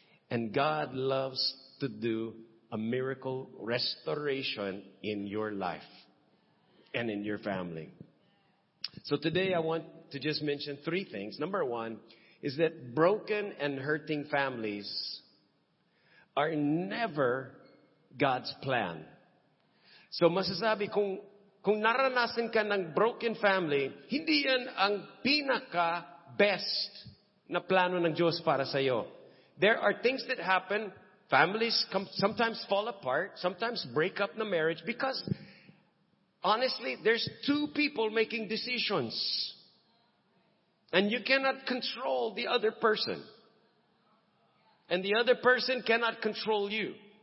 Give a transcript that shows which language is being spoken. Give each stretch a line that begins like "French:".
English: And God loves to do a miracle restoration in your life and in your family. So today I want to just mention three things. Number one is that broken and hurting families are never God's plan.
Filipino: So masasabi kung naranasan ka ng broken family, hindi yan ang pinaka best na plano ng Diyos para sa iyo.
English: There are things that happen. Families come, sometimes fall apart, sometimes break up the marriage because honestly, there's two people making decisions. And you cannot control the other person. And the other person cannot control you.